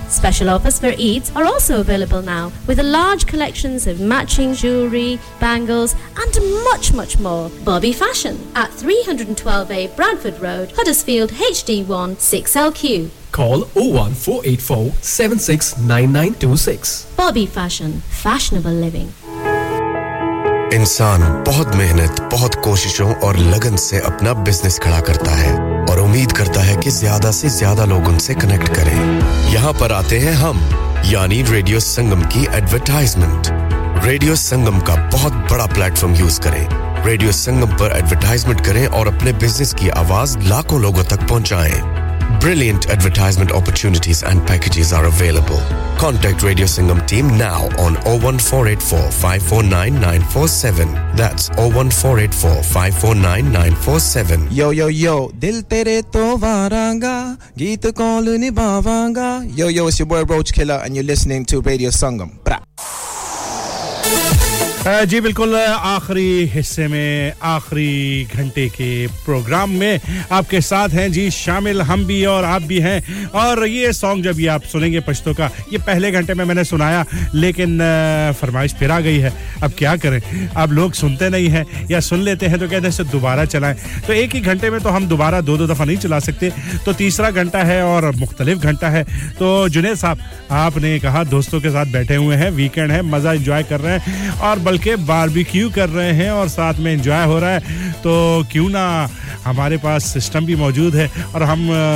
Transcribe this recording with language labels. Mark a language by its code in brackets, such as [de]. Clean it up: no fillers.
[en] Special offers for Eids are also available now with a large collections of matching jewellery, bangles and much, much more. Bobby Fashion at 312A Bradford Road, Huddersfield, HD1 6LQ. Call 01484 769926. Bobby Fashion, fashionable living. [hi] इंसान बहुत मेहनत, बहुत कोशिशों और लगन से अपना business खड़ा करता है और उम्मीद करता है कि ज्यादा से ज्यादा लोग उनसे कनेक्ट करें। यहां पर आते हैं हम, यानी रेडियो संगम की एडवर्टाइजमेंट। रेडियो संगम का बहुत बड़ा प्लेटफॉर्म यूज करें रेडियो संगम पर एडवर्टाइजमेंट करें और अपने बिजनेस की आवाज लाखों लोगों तक पहुंचाएं [en] Brilliant advertisement opportunities and packages are available. Contact Radio Sangam team now on 01484-549-947. That's 01484-549-947. [pa] Yo, yo, yo, dil tere to varanga, geet kaun nibhavanga. [en] Yo, yo, it's your boy Roach Killer and you're listening to Radio Sangam. Bra. [hi] जी बिल्कुल आखिरी हिस्से में आखिरी घंटे के programme में आपके साथ हैं जी शामिल हम भी और आप भी हैं और ये सॉन्ग जब ये आप सुनेंगे पश्तो का ये पहले घंटे में मैंने सुनाया लेकिन फरमाइश फिर आ गई है अब क्या करें अब लोग सुनते नहीं हैं या सुन लेते हैं तो कहते हैं इसे दोबारा चलाएं तो एक ही घंटे में तो हम दोबारा दो दो दफ़ा नहीं चला सकते तो तीसरा घंटा है और मुख्तलिफ घंटा है तो जुनेद साहब आपने कहा दोस्तों के साथ बैठे हुए हैं वीकेंड है मज़ा इंजॉय कर रहे हैं और बल्कि बारबेक्यू कर रहे हैं और साथ में एंजॉय हो रहा है तो क्यों ना हमारे पास सिस्टम भी मौजूद है और हम